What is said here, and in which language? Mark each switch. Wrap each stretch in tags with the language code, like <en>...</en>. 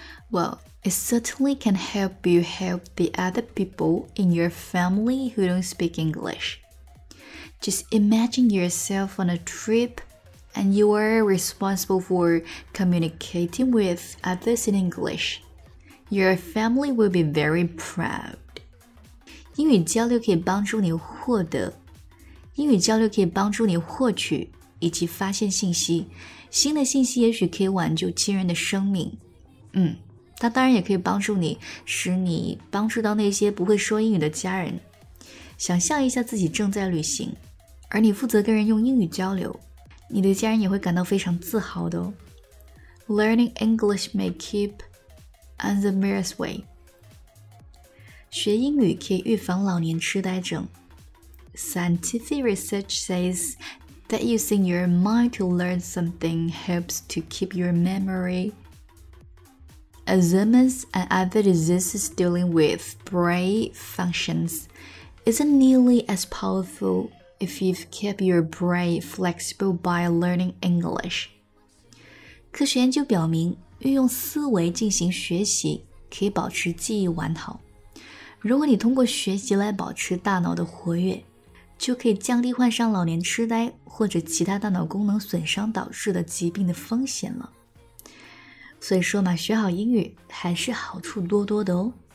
<en>Well, it certainly can help you help the other people in your family who don't speak English. Just imagine yourself on a trip and you are responsible for communicating with others in English. Your family will be very proud.</en> <zh>英语交流可以帮助你获得，英语交流可以帮助你获取以及发现信息。新的信息也许可以挽救亲人的生命。嗯，它当然也可以帮助你，使你帮助到那些不会说英语的家人。想象一下自己正在旅行，而你负责跟人用英语交流，你的家人也会感到非常自豪的哦。</zh> <en>Learning English may keep. And the merest way.</en> <zh>学英语可以预防老年痴呆症。</zh> <en>Scientific research says that using your mind to learn something helps to keep your memory. Alzheimer's and other diseases dealing with brain functions isn't nearly as powerful if you've kept your brain flexible by learning English.</en> <zh>科学研究表明运用思维进行学习可以保持记忆完好。如果你通过学习来保持大脑的活跃，就可以降低患上老年痴呆或者其他大脑功能损伤导致的疾病的风险了。所以说嘛，学好英语还是好处多多的哦。</zh>